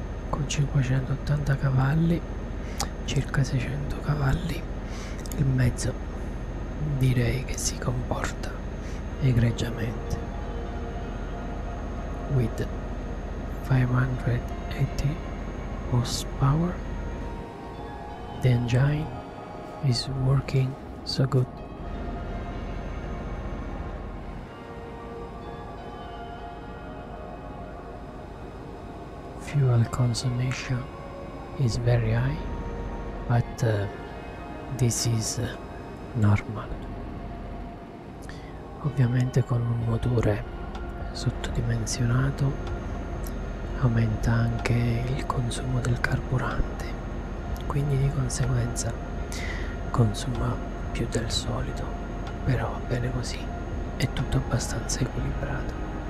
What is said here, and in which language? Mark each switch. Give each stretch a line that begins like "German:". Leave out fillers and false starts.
Italian: Con 580 cavalli, circa 600 cavalli, il mezzo direi che si comporta egregiamente.
English: With 580 horsepower, the engine is working so good. Fuel consumption is very high, but this is normal.
Italian: Ovviamente con un motore sottodimensionato aumenta anche il consumo del carburante, quindi di conseguenza consuma più del solito, però va bene così, è tutto abbastanza equilibrato.